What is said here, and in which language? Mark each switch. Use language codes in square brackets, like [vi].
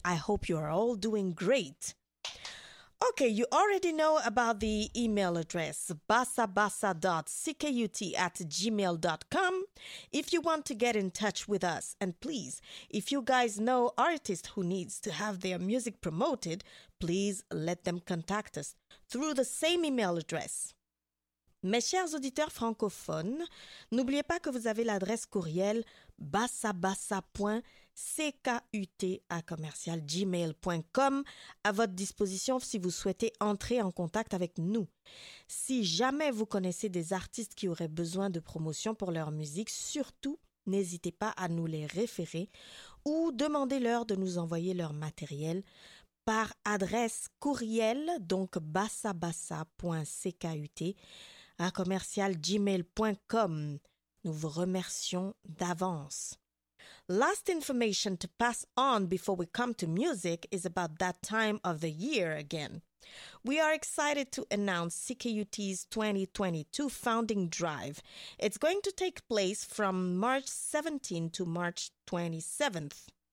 [en] I hope you are all doing great. Okay, you already know about the email address, basabasa.ckut@gmail.com. If you want to get in touch with us, and please, if you guys know artists who needs to have their music promoted, please let them contact us through the same email address. [fr] Mes chers auditeurs francophones, n'oubliez pas que vous avez l'adresse courriel basabasa.ckut@gmail.com à votre disposition si vous souhaitez entrer en contact avec nous. Si jamais vous connaissez des artistes qui auraient besoin de promotion pour leur musique, surtout n'hésitez pas à nous les référer ou demandez-leur de nous envoyer leur matériel par adresse courriel, donc basabasa.ckut@gmail.com. Nous vous remercions d'avance. [en] Last information to pass on before we come to music is about that time of the year again. We are excited to announce CKUT's 2022 Founding Drive. It's going to take place from March 17 to March 27th.